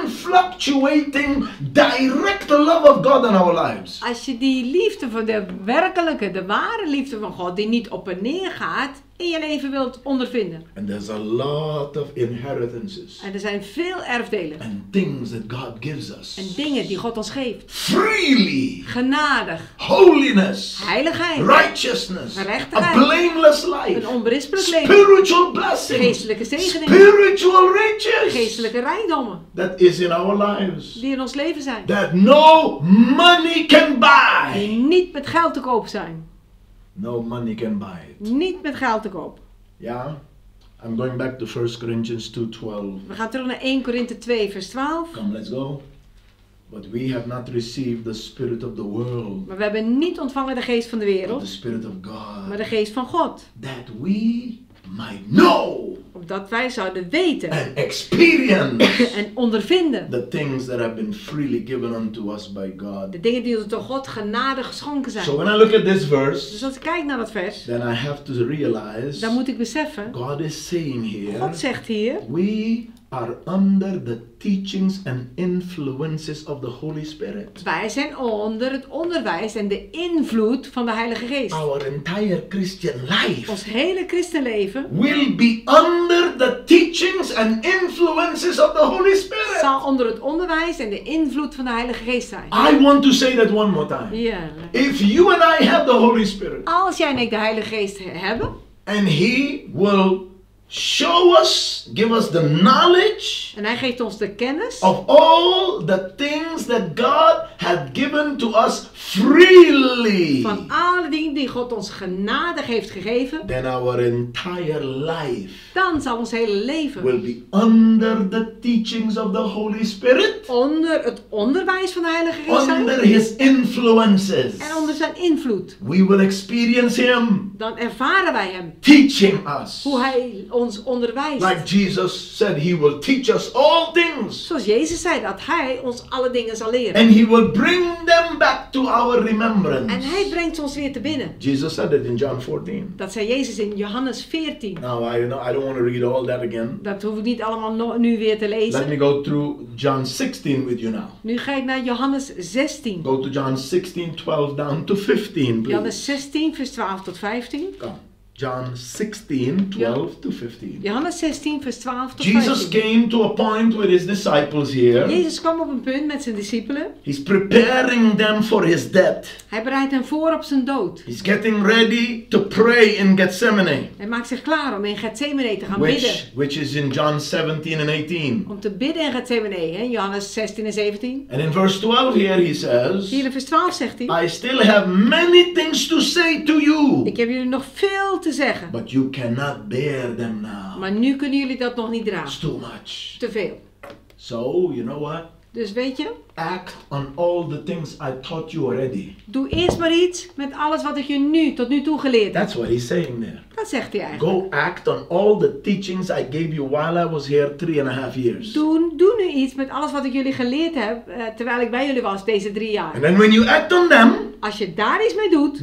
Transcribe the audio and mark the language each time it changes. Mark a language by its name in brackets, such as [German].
[English] Unfluctuating direct love of God in our lives. [Dutch] Als je die liefde van de werkelijke, de ware liefde van God, die niet op en neer gaat, in je leven wilt ondervinden. [English] And there's a lot of inheritances. [Dutch] En er zijn veel erfdelen. [English] And things that God gives us. [Dutch] En dingen die God ons geeft. [English] Freely. [Dutch] Genadig. [English] Holiness. [Dutch] Heiligheid. [English] Righteousness. [Dutch] Rechtigheid. [English] A blameless life. [Dutch] Een onberispelijk [English] spiritual [Dutch] leven. [English] Spiritual blessings. [Dutch] Geestelijke zegeningen. [English] Spiritual riches. [Dutch] Geestelijke rijkdommen. [English] That is in our lives. [Dutch] Die in ons leven zijn. [English] That no money can buy. [Dutch] Die niet met geld te koop zijn. [English] No money can buy it. [Dutch] Niet met geld te koop. [English] Ja, I'm going back to 1 Corinthians 2:12. [Dutch] We gaan terug naar 1 Korinthe 2 vers 12. [English] Come, let's go. But we have not received the spirit of the world. [Dutch] Maar we hebben niet ontvangen de geest van de wereld. [English] But the spirit of God. [Dutch] Maar de geest van God. [English] That we might know. [Dutch] Opdat wij zouden weten. [English] And experience. [Dutch] En ondervinden. [English] The things that have been freely given unto us by God. [Dutch] De dingen die ons door God genadig geschonken zijn. [English] So when I look at this verse. [Dutch] Dus als ik kijk naar dat vers. [English] Then I have to realize. [Dutch] Dan moet ik beseffen. [English] God is saying here. [Dutch] God zegt hier. [English] We are under the teachings and influences of the Holy Spirit. [Dutch] Wij zijn onder het onderwijs en de invloed van de Heilige Geest. [English] Our entire Christian life. [Dutch] Ons hele christenleven. [English] Will be under the teachings and influences of the Holy Spirit. [Dutch] Zal onder het onderwijs en de invloed van de Heilige Geest zijn. [English] I want to say that one more time. Yeah. If you and I have the Holy Spirit. [Dutch] Als jij en ik de Heilige Geest hebben. [English] And he will show us, give us the knowledge. [Dutch] En hij geeft ons de kennis. [English] Of all the things that God had given to us freely. [Dutch] Van alle dingen die God ons genadig heeft gegeven. [English] Then our entire life. [Dutch] Dan zal ons hele leven. [English] Will be under the teachings of the Holy Spirit. [Dutch] Onder het onderwijs van de Heilige Geest. [English] Under his influences. [Dutch] En onder zijn invloed. [English] We will experience him. [Dutch] dan ervaren wij hem. [English] Teaching us. [Dutch] Hoe hij ons onderwijst. [English] Like Jesus said, he will teach us all things. [Dutch] Zoals Jezus zei dat hij ons alle dingen zal leren. [English] And he will bring them back to our remembrance. [Dutch] En hij brengt ons weer te binnen. [English] Jesus said it in John 14. [Dutch] Dat zei Jezus in Johannes 14. [English] Now I don't want to read all that again. [Dutch] Dat hoef ik niet allemaal nu weer te lezen. [English] Let me go through John 16 with you now. [Dutch] Nu ga ik naar Johannes 16. [English] Go to John 16, 12 down to 15, please. [Dutch] Johannes 16, vers 12 tot 15. [English] Come. John 16, 12 to 15. [Dutch] Johannes 16, vers 12 tot 15. [English] Jesus came to a point with his disciples here. [Dutch] Jezus kwam op een punt met zijn discipelen. [English] He's preparing them for his death. [Dutch] Hij bereidt hen voor op zijn dood. [English] He's getting ready to pray in Gethsemane. [Dutch] Hij maakt zich klaar om in Gethsemane te gaan bidden. [English] Which is in John 17 and 18. [Dutch] Om te bidden in Gethsemane, hè? Johannes 16 en 17. [English] And in verse 12 here he says. [Dutch] Hier in vers 12 zegt hij. [English] I still have many things to say to you. [Dutch] Ik heb jullie nog veel te zeggen. [English] But you cannot bear them now. [Dutch] Maar nu kunnen jullie dat nog niet dragen. [English] It's too much. [Dutch] Te veel. [English] So, you know what? [Dutch] Dus weet je? [English] Act on all the things I taught you already. [Dutch] Doe eerst maar iets met alles wat ik je nu tot nu toe geleerd heb. [English] That's what he's saying there. [Dutch] Dat zegt hij eigenlijk. [English] Go act on all the teachings I gave you while I was here 3.5 years. [Dutch] Doe nu iets met alles wat ik jullie geleerd heb terwijl ik bij jullie was deze 3 jaar. [English] And then when you act on them. [Dutch] Als je daar iets mee doet.